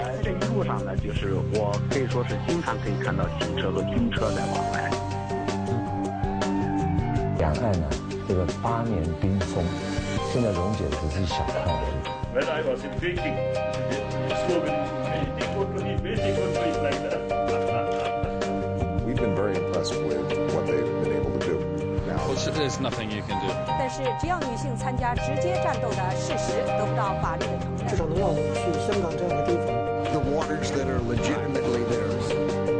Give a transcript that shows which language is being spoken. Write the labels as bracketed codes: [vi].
[zh] 这一路上呢，就是我可以说是经常可以看到警车和军车在往来。两岸呢，这个8年冰封，现在溶解只是小块而已。 [en] When I was in Beijing, it's so beautiful. Beijing was really beautiful like that. success with what they've been able to do. Now, there's nothing you can do. [zh] 但是只要女性参加直接战斗的事实得不到法律的承认，至少能让我去香港这样的地方。 [en] The waters that are legitimately theirs.